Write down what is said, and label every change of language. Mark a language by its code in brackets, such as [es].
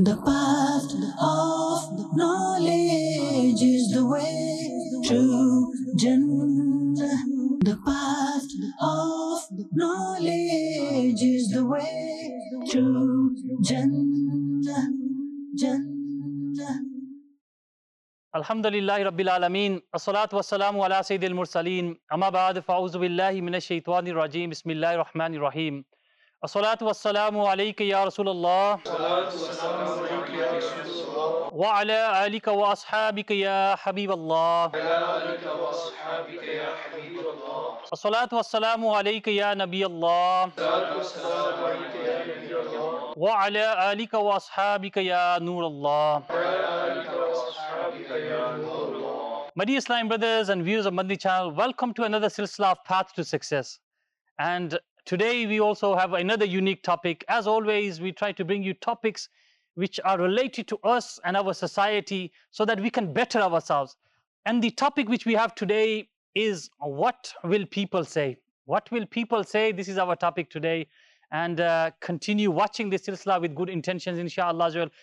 [en] The path of knowledge is the way to Jannah. The path of knowledge is the way to Jannah. [ar] الحمد لله رب العالمين الصلاة والسلام على سيد المرسلين أما بعد فأعوذ بالله من الشيطان الرجيم بسم الله الرحمن الرحيم الصلاة والسلام عليك يا رسول الله وعلى آلك وأصحابك يا حبيب الله الصلاة والسلام عليك يا نبي الله وعلى آلك وأصحابك يا نور الله [en] My dear Islamic brothers and viewers of Madni channel, welcome to another silsila of Path to Success. And today we also have another unique topic. As always, we try to bring you topics which are related to us and our society so that we can better ourselves. And the topic which we have today is what will people say? What will people say? This is our topic today. And continue watching this silsila with good intentions, inshallah.